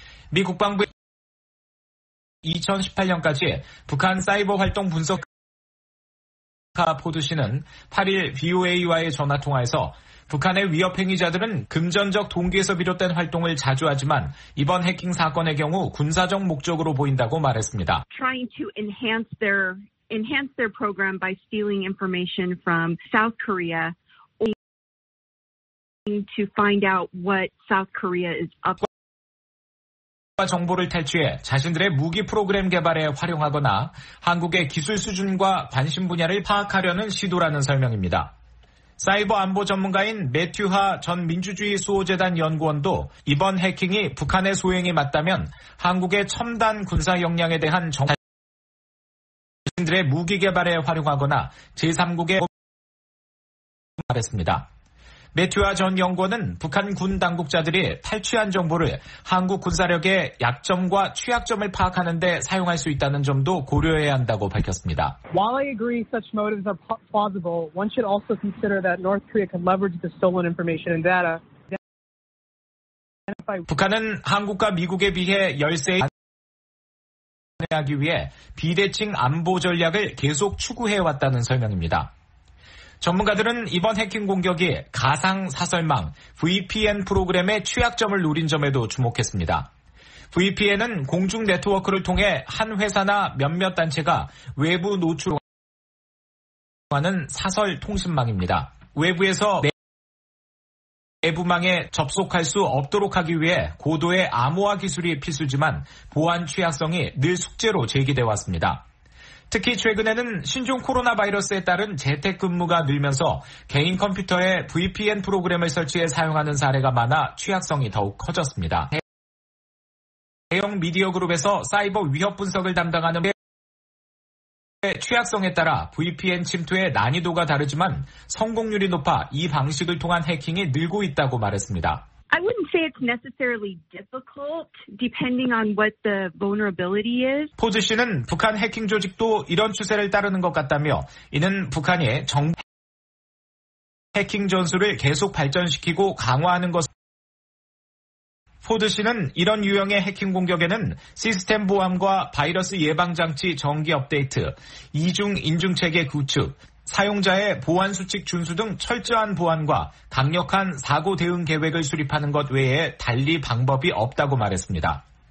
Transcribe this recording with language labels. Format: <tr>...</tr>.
<ko>미 국방부 2018년까지 북한 사이버 활동 분석가 포드 씨는 8일 VOA와의 전화통화에서 북한의 위협 행위자들은 금전적 동기에서 비롯된 활동을 자주 하지만 이번 해킹 사건의 경우 군사적 목적으로 보인다고 말했습니다.</ko> <en>Trying to enhance their program by stealing information from South Korea to find out what South Korea is up to.</en> <ko>정보를 탈취해 자신들의 무기 프로그램 개발에 활용하거나 한국의 기술 수준과 관심 분야를 파악하려는 시도라는 설명입니다. 사이버 안보 전문가인 매튜하 전 민주주의 수호재단 연구원도 이번 해킹이 북한의 소행이 맞다면 한국의 첨단 군사 역량에 대한 정보를 자신들의 무기 개발에 활용하거나 제3국에 말했습니다. 매튜아 전 연구원은 북한 군 당국자들이 탈취한 정보를 한국 군사력의 약점과 취약점을 파악하는 데 사용할 수 있다는 점도 고려해야 한다고 밝혔습니다.</ko> <en>While I agree such motives are plausible, one should also consider that North Korea can leverage the stolen information and data.</en> <ko>북한은 한국과 미국에 비해 열세에 대하기 위해 비대칭 안보 전략을 계속 추구해왔다는 설명입니다. 전문가들은 이번 해킹 공격이 가상 사설망 VPN 프로그램의 취약점을 노린 점에도 주목했습니다. VPN은 공중 네트워크를 통해 한 회사나 몇몇 단체가 외부 노출하는 사설 통신망입니다. 외부에서 외부망에 접속할 수 없도록 하기 위해 고도의 암호화 기술이 필수지만 보안 취약성이 늘 숙제로 제기되어 왔습니다. 특히 최근에는 신종 코로나 바이러스에 따른 재택근무가 늘면서 개인 컴퓨터에 VPN 프로그램을 설치해 사용하는 사례가 많아 취약성이 더욱 커졌습니다. 대형 미디어 그룹에서 사이버 위협 분석을 담당하는 취약성에 따라 VPN 침투의 난이도가 다르지만 성공률이 높아 이 방식을 통한 해킹이 늘고 있다고 말했습니다.</ko> <en>I wouldn't say it's necessarily difficult, depending on what the vulnerability is.</en> <ko>포즈 씨는 북한 해킹 조직도 이런 추세를 따르는 것 같다며, 이는 북한이 정보 해킹 전술을 계속 발전시키고 강화하는 것. 포드 씨는 이런 유형의 해킹 공격에는 시스템 보안과 바이러스 예방 장치 정기 업데이트, 이중 인증 체계 구축, 사용자의 보안 수칙 준수 등 철저한 보안과 강력한 사고 대응 계획을 수립하는 것 외에 달리 방법이 없다고 말했습니다.</ko>